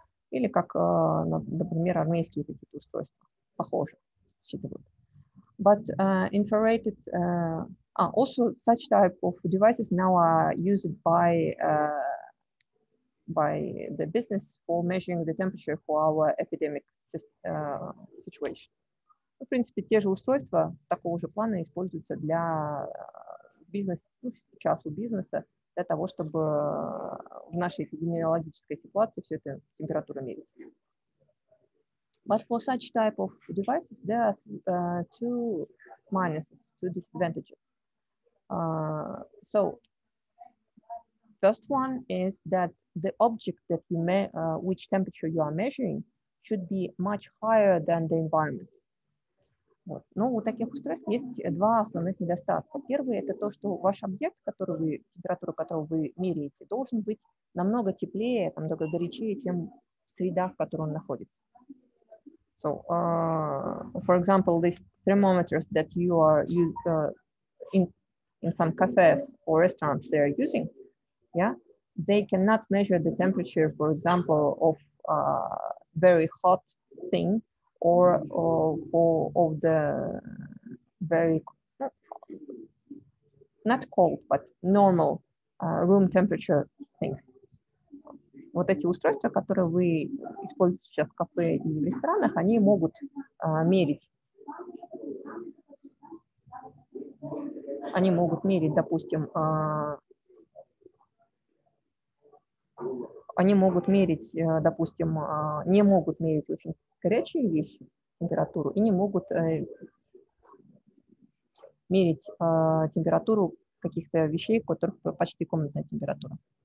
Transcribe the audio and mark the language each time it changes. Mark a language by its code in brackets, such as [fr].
[ru] Или как, например, армейские какие-то устройства. Похоже, считывают. [en] But infrared, also such type of devices now are used by the business for measuring the temperature for our epidemic situation. [ru] В принципе, те же устройства такого же плана используются для бизнеса, ну, сейчас у бизнеса, для того, чтобы в нашей эпидемиологической ситуации все это температура мерить. [en] But for such type of devices, there are two minuses, two disadvantages. So, first one is that the object that you which temperature you are measuring should be much higher than the environment. [ru] Вот. Но у таких устройств есть два основных недостатка. Первый – это то, что ваш объект, температуру которого вы меряете, должен быть намного теплее, намного горячее, чем в среда, в которой он находится. [en] So, for example, these thermometers that you are in some cafes or restaurants they are using, yeah, they cannot measure the temperature, for example, of a very hot thing, or of the very not cold but normal room temperature things. [ru] Вот эти устройства, которые вы используете сейчас в кафе и в ресторанах, они могут мерить. Они могут мерить, допустим, они могут мерить, допустим, не могут мерить очень горячие вещи, температуру, и не могут мерить температуру каких-то вещей, у которых почти комнатная температура.